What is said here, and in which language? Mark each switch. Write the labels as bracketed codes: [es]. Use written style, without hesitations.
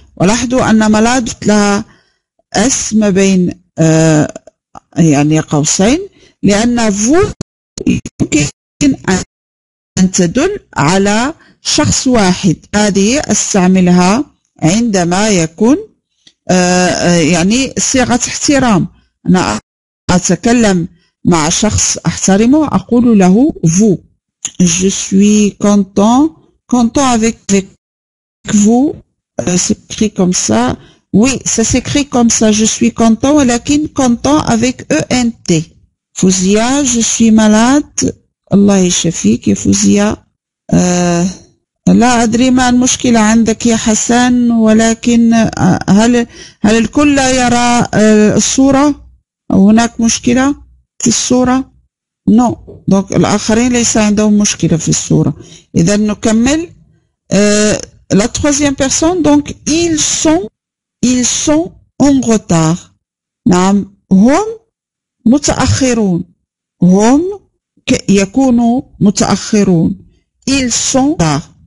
[ar] ولاحظوا أن ملاد لها أس ما بين يعني قوسين، لأن فو يمكن أن تدل على شخص واحد. هذه أستعملها عندما يكون يعني صيغة احترام، أنا أتكلم مع شخص أحترمه أقول له فو. [fr] Je suis content avec vous. S'écrit comme ça. Oui, ça s'écrit comme ça. Je suis content, [ar] ولكن [fr] content avec ENT. Fouzia, je suis malade. [ar] Allah يشفيك يا فوزيا. لا أدري ما المشكلة عندك يا حسن، ولكن هل الكل يرى الصورة؟ هناك مشكلة في الصورة؟ نو. دونك الآخرين ليس عندهم مشكلة في الصورة. إذا نكمل. [fr] La troisième personne, donc ils sont en retard. [ar] نعم هم متأخرون. هم يكونوا متأخرون. [fr] Ils sont en retard.